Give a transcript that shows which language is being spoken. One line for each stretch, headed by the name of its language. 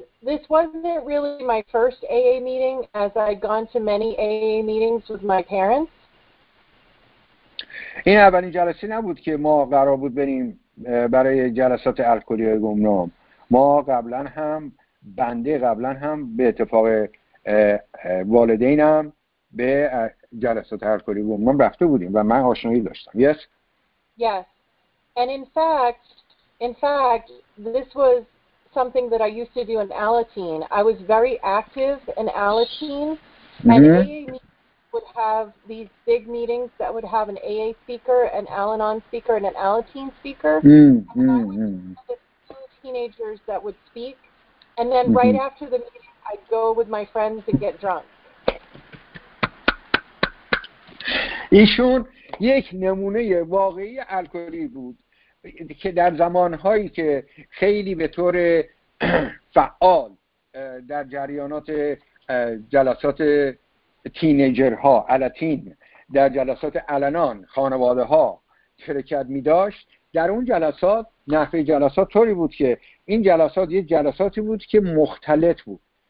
English: This wasn't really my first AA meeting, as I'd gone to many AA meetings with my parents.
Persian: این اولین جلسه نبود که ما قرار بود بریم برای جلسات الکلی های گمنام. ما قبلا هم بنده قبلا هم به اتفاق والدینم به جلسات الکلی های گمنام رفته بودیم و من آشنایی داشتم.
English: Yes. Yes. And in fact, this was something that I used to do in Alateen. I was very active in Alateen. And AA meetings would have these big meetings that would have an AA speaker, an Al-Anon speaker, and an Alateen speaker. And I would have two teenagers that would speak. And then right after the meeting, I'd go with my friends and get drunk.
Persian: ایشون یک نمونه واقعی الکلی بود که در زمانهایی که خیلی به طور فعال در جریانات جلسات تینیجرها الاتین در جلسات الانان خانواده ها ترکت می داشت، در اون جلسات نحوه جلسات طوری بود که این جلسات یه جلساتی بود که مختلط بود.